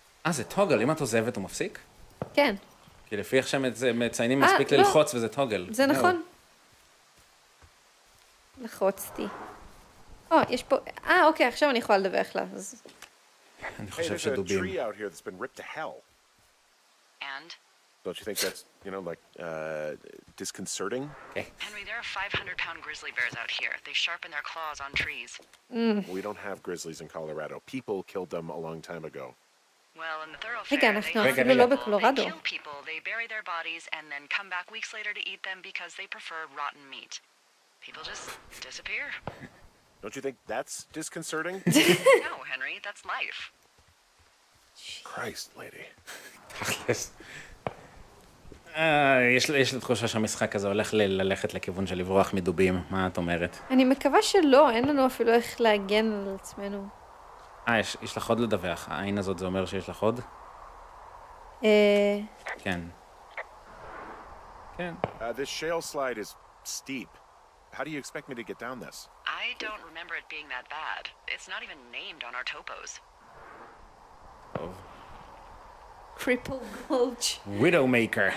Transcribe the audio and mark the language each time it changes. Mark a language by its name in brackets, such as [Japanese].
[Hebrew] זה טוגל. אם את עוזבת, הוא מפסיק? כן. כי לפי איך שהם מציינים, מספיק ללחוץ וזה טוגל. זה נכון. לחוצתי. יש פה... אוקיי, עכשיו אני יכולה לדווח לה, אז... אני חושב שדובים. [English] There's a tree out here that's been ripped to hell. And? Don't you think that's, you know, like, disconcerting? Okay. Henry, there are 500-pound grizzly bears out here. They sharpen their claws on trees. We don't have grizzlies in Colorado. People killed them a long time ago. Well, in the thoroughfare, they kill people, they bury their bodies, and then come back weeks later to eat them because they prefer rotten meat. People just disappear. Don't you think that's disconcerting? No, Henry, that's life. Christ, lady. [Hebrew] תכלס. יש לי תחושה שהמשחק הזה הולך ללכת לכיוון של לברוח מדובים. מה את אומרת? אני מקווה שלא, אין לנו אפילו איך להגן על עצמנו. יש לך עוד לדווח. העין הזאת זה אומר שיש לך עוד? כן. כן. [English] This shale slide is steep. How do you expect me to get down this? I don't remember it being that bad. It's not even named on our topos. Oh. Cripple Gulch. Widowmaker.